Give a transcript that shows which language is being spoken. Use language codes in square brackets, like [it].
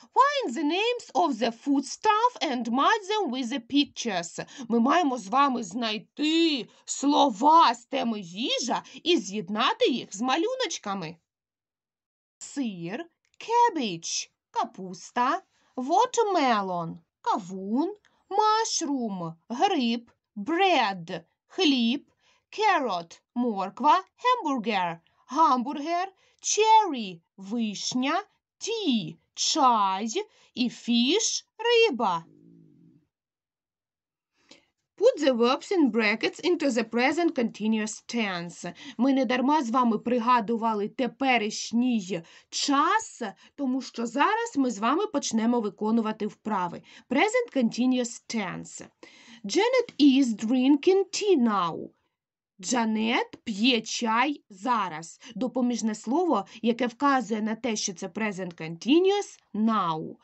[en] Find the names of the foodstuff and match them with the pictures. [uk] Ми маємо з вами знайти слова з теми їжа і з'єднати їх з малюночками. Сир, cabbage, капуста, watermelon, кавун, mushroom, гриб, bread, хліб, carrot – морква, hamburger – гамбургер, cherry – вишня, tea – чай і fish – риба. [en] Put the verbs in brackets into the present continuous tense. [uk] Ми не дарма з вами пригадували теперішній час, тому що зараз ми з вами почнемо виконувати вправи. [en] Present continuous tense. Janet is drinking tea now. [uk] Джанет п'є чай зараз. Допоміжне слово, яке вказує на те, що це present continuous – now.